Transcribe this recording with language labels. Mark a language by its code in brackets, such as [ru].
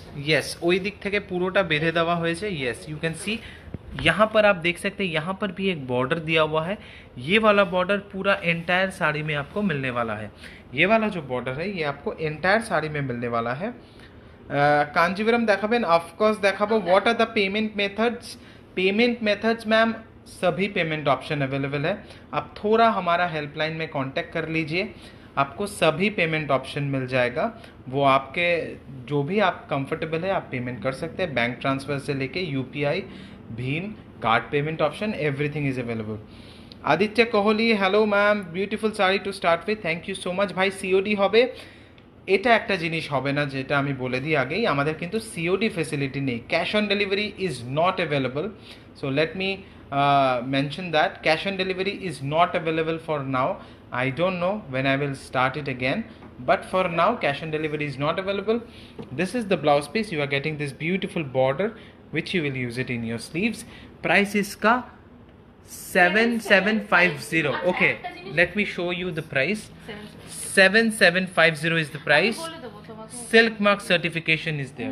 [bn] Yes, ওই দিক থেকে পুরোটা বেঁধে দেওয়া হয়েছে. [en] Yes, you can see. [hi] यहाँ पर आप देख सकते हैं यहाँ पर भी एक बॉर्डर दिया हुआ है. ये वाला बॉर्डर पूरा एंटायर साड़ी में आपको मिलने वाला है. ये वाला जो बॉर्डर है ये आपको एंटायर साड़ी में मिलने वाला है. [bn] कांजीवरम देखाबेन ऑफकोर्स देखाबो. [en] What are the payment methods? [hi] Payment methods ma'am सभी पेमेंट ऑप्शन अवेलेबल है. आप थोड़ा हमारा हेल्पलाइन में कॉन्टेक्ट कर लीजिए, आपको सभी पेमेंट ऑप्शन मिल जाएगा. वो आपके जो भी आप कंफर्टेबल है आप पेमेंट कर सकते हैं. बैंक ट्रांसफर से लेके UPI Bhim card payment option [en] Everything is available. Aditya Kohli hello ma'am beautiful sari to start with. Thank you so much भाई. [bn] सीओडी হবে এটা একটা জিনিস হবে না যেটা আমি বলে দিই আগেই. আমাদের কিন্তু সিওডি ফেসিলিটি নেই. [en] Cash on delivery is not available. So let me mention that cash on delivery is not available for now. I don't know when I will start it again, but for now cash on delivery is not available. This is the blouse piece. You are getting this beautiful border which you will use it in your sleeves. Price is ka 7750. Okay, let me show you the price. 7750 is the price. Silk mark certification is there.